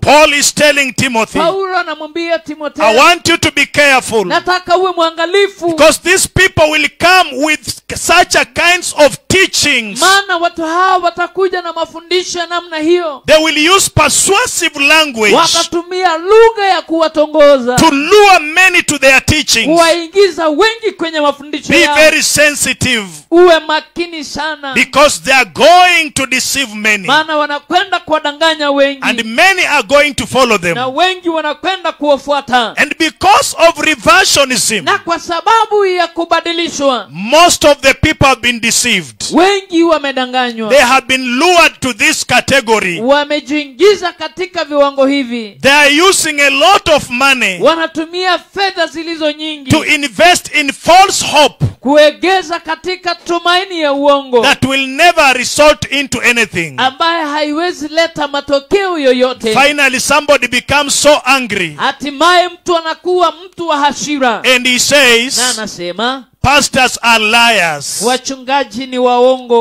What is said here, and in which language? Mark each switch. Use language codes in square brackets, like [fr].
[en] Paul is telling Timothy. [sw] Paulo anamwambia Timotheo. [en] I want you to be careful. [sw] Nataka uwe mwangalifu. [en] Because these people will come with such a kinds of teachings. [sw] Maana watu hawa watakuja na mafundisho ya namna hiyo. [en] They will use persuasive language. [sw] Watatumia lugha ya kuwatongoza. [en] To lure many to their teachings. [sw] Kuwaingiza wengi kwenye mafundisho yao. [en] Be very sensitive. [sw] Uwe makini sana. [en] Because they are going to deceive many. [sw] Maana wanakwenda kuwadanganya wengi. [en] And many are going to follow them. [sw] Na wengi wanakwenda kuwafuata. [en] And because of reversionism, [sw] na kwa sababu ya kubadilishwa, [en] most of the people have been deceived. [sw] Wengi wamedanganywa. [en] They have been lured to this category. [sw] Wamejiingiza katika viwango hivi. [en] They are using a lot of money. [sw] Wanatumia fedha zilizo nyingi. [en] To invest in false hope. [sw] Kuegeza katika tumaini ya uongo. [en] That will never result into anything. [sw] Ambaye haiwezi leta matokeo yoyote. [en] Finally, somebody becomes so angry. [sw] Hatimaye mtu anakuwa mtu wa hasira. [en] And he says, [sw] na anasema, [en] pastors are liars. [sw] Wachungaji ni waongo.